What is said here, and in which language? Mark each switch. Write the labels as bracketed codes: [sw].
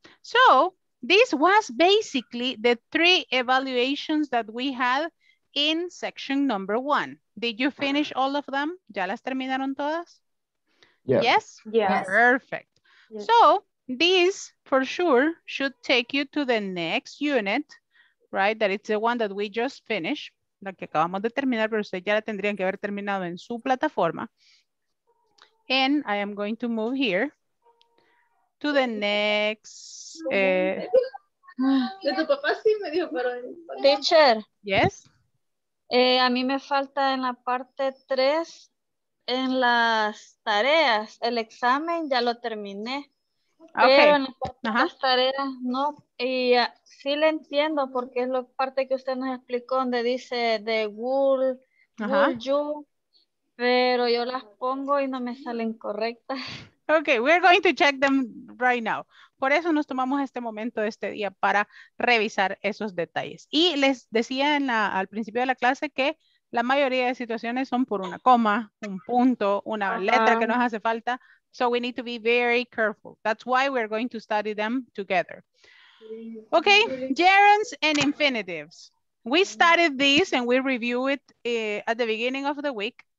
[en] So this was basically the three evaluations that we had in section number one. Did you finish all of them? [es] ¿Ya las terminaron todas? [en] Yeah. Yes? Yes. Perfect. Yes. So this for sure should take you to the next unit, right? That it's the one that we just finished. [es] La que acabamos de terminar, pero ustedes ya la tendrían que haber terminado en su plataforma. [en] And I am going to move here to the next. [es] De tu papá sí me dijo, pero. [en] Teacher. Yes. [es] A mí me falta en la parte 3, en las tareas. El examen ya lo terminé. [en] Okay. [es] Pero en las tareas no. Y. Sí le entiendo porque es la parte que usted nos explicó donde dice [en] the wool, you, [es] pero yo las pongo y no me salen correctas. [en] Okay, we're going to check them right now. [es] Por eso nos tomamos este momento de este día para revisar esos detalles. Y les decía en la, al principio de la clase que la mayoría de situaciones son por una coma, un punto, una letra que nos hace falta. [en] So we need to be very careful. That's why we're going to study them together. Okay, gerunds and infinitives. We studied this and we review it at the beginning of the week.